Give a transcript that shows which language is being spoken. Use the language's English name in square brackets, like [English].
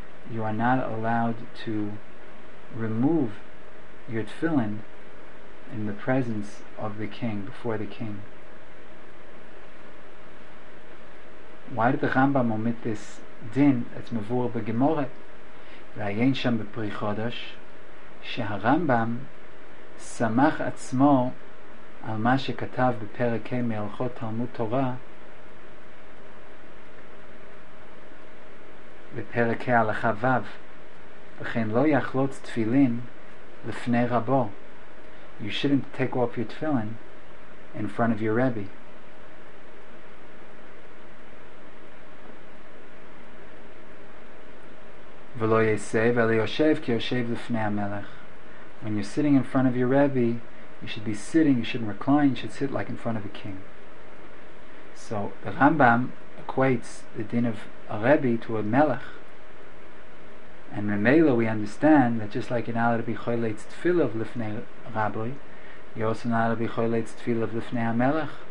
[English] You are not allowed to remove your tefillin in the presence of the king, before the king. Why did the Rambam omit this din, that's mevur b'gemore? [Hebrew] V'ayein sham b'pri chodosh, sheharambam samach atzmo על מה שכתב בפרק ה' מהלכות תלמוד תורה, בפרק ה' הלכה ו', וכן לא יחלוץ תפילין לפני רבו. [English] You shouldn't take off your tefillin in front of your Rebbe. [Hebrew] ולא יסב, אלא יושב כי יושב לפני המלך. [English] When you're sitting in front of your Rebbe, you should be sitting, you shouldn't recline, you should sit like in front of a king. So the Rambam equates the din of a Rebbe to a Melech. And Remela, we understand that just like you're not allowed to be choyleitz tefillah of lifnei Rabbi, you're also not allowed to be choyleitz tefillah of lifnei HaMelech.